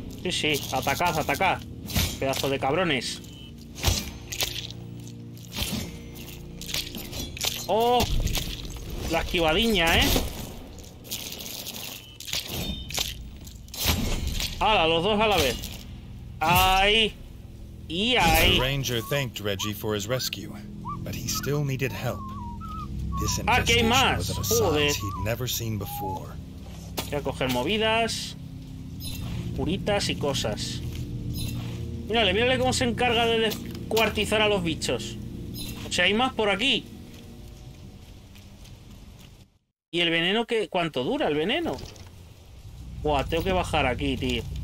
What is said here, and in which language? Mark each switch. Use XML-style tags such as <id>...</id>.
<es>Sí, atacad. Pedazo de cabrones. Oh. La esquivadiña, Hala, los dos a la vez. ¡Ay! ¡Y ay!</es> <en>The ranger thanked Reggie for his rescue, but he still needed help. This investigation was of a size he'd never seen before.</en> <es>Voy a coger movidas, curitas y cosas. Mírale cómo se encarga de descuartizar a los bichos. O sea, hay más por aquí. ¿Y el veneno qué? ¿Cuánto dura el veneno? Buah, tengo que bajar aquí, tío.</es>